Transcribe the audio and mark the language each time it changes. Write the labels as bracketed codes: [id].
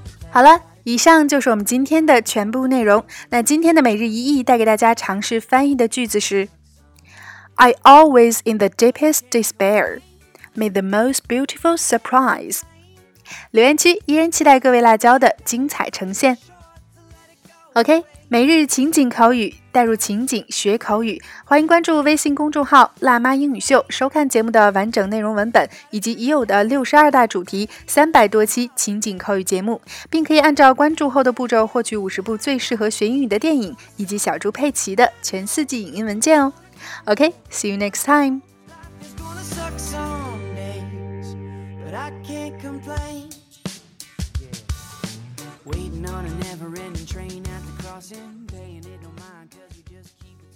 [zh] 好了。以上就是我们今天的全部内容。那今天的每日一译带给大家尝试翻译的句子是。 [en] I always in the deepest despair, may the most beautiful surprise. [zh] 留言区依然期待各位辣椒的精彩呈现。OK, 每日情景口语，带入情景学口语，欢迎关注微信公众号辣妈英语秀，收看节目的完整内容文本，以及已有的62大主题、300多期情景口语节目，并可以按照关注后的步骤获取50部最适合学英语的电影，以及小猪佩奇的全四季影音文件哦。 [en] Okay, see you next time. Life is gonna suck some days, but I can't complain. Waiting on a never-ending train at the crossing, paying it no mind, cause you just keep